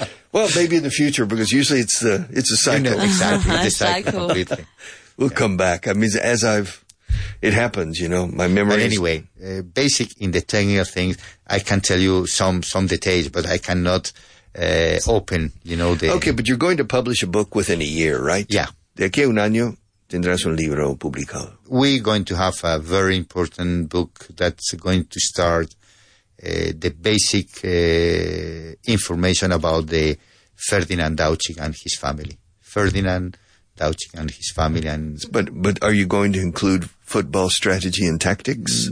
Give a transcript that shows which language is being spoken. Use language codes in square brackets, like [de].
[en] Well, maybe in the future, because usually it's a cycle. You know, exactly. It's a cycle. We'll come back. I mean, it happens, you know, my memory. But anyway, basic in the technical things, I can tell you some details, but I cannot... open, you know, the... Okay, but you're going to publish a book within a year, right? Yeah. [es] De aquí a un año, tendrás un libro publicado. [en] We're going to have a very important book that's going to start the basic information about the Ferdinand Dauci and his family. Ferdinand Dauci and his family and... But are you going to include football strategy and tactics?